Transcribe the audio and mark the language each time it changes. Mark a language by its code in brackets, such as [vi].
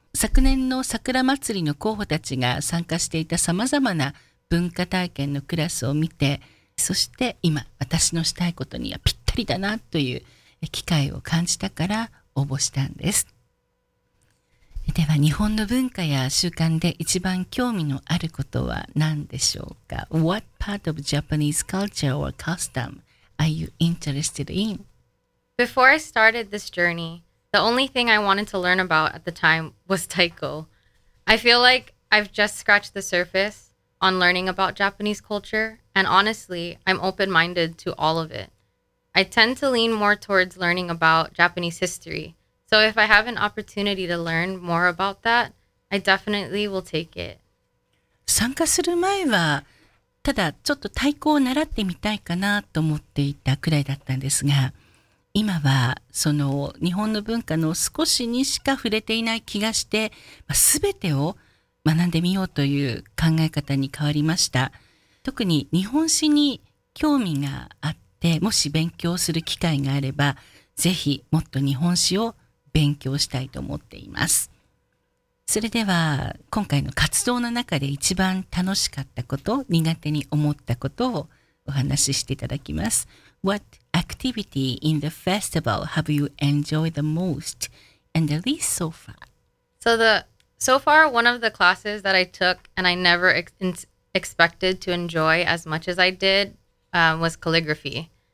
[ja] 昨年の桜祭りの候補たちが参加していた様々な文化体験のクラスを見て、そして今私のしたいことにはぴったりだなという機会を感じたから応募したんです。では日本の文化や習慣で一番興味のあることは何でしょうか? [en] What part of Japanese culture or custom are you interested in? Before I started this journey, the only thing I wanted to learn about at the time was taiko. I feel like I've just scratched the surface on learning about Japanese culture, and honestly, I'm open-minded to all of it. I tend to lean more towards learning about Japanese history. So if I have an opportunity to learn more about that, I definitely will take it. [ja] 参加する前は、ただちょっと太鼓を習ってみたいかなと思っていたくらいだったんですが、今はその日本の文化の少しにしか触れていない気がして、すべてを学んでみようという考え方に変わりました。特に日本史に興味があって、もし勉強する機会があれば、ぜひもっと日本史を勉強したいと思っています。それでは今回の活動の中で一番楽しかったこと、苦手に思ったことをお話ししていただきます。 [en] What activity in the festival have you enjoyed the most and the least so far? So far, one of the classes that I took and I never expected to enjoy as much as I did was calligraphy.